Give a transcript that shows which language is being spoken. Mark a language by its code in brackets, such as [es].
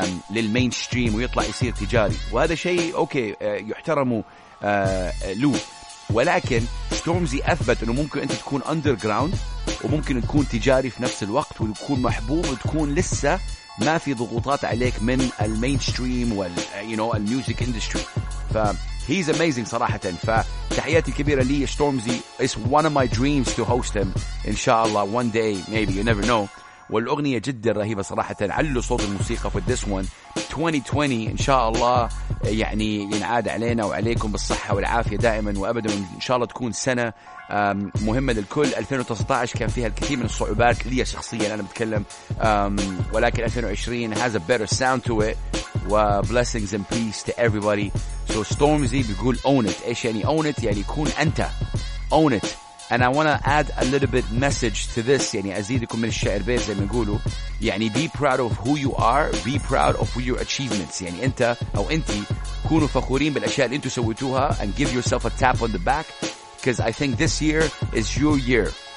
[ar] للمين ستريم ويطلع يصير تجاري، وهذا شيء أوكي يحترمه له، ولكن ستورمزي أثبت أنه ممكن أنت تكون أندرغراوند وممكن تكون تجاري في نفس الوقت وتكون محبوب وتكون لسه ما في ضغوطات عليك من المينستريم وال [en] you know [ar] الميوزك إندستري. ف [en] he's amazing [ar] صراحة، فتحياتي كبيرة لي ستورمزي. [en] It's one of my dreams to host him إن شاء الله one day maybe you never know. [ar] والأغنية جدا رهيبة صراحة، علو صوت الموسيقى في [en] this one [ar] 2020 إن شاء الله يعني ينعاد علينا وعليكم بالصحة والعافية دائما وأبدا، إن شاء الله تكون سنة مهمة للكل. 2019 كان فيها الكثير من الصعوبات لي شخصيا أنا بتكلم، ولكن 2020 [en] has a better sound to it. [ar] و [en] blessings and peace to everybody. So Stormzy [ar] بيقول [en] own it. [ar] إيش يعني [en] own it؟ [ar] يعني كون أنت [en] own it And I want to add a little bit message to this. [ar] يعني أزيدكم من الشعر بيت زي ما يقولوا. [en] يعني be proud of who you are. Be proud of your achievements. [ar] يعني أنت أو أنتي كونوا فخورين بالأشياء اللي أنتوا سويتوها. [en] And give yourself a tap on the back. Because I think this year is your year.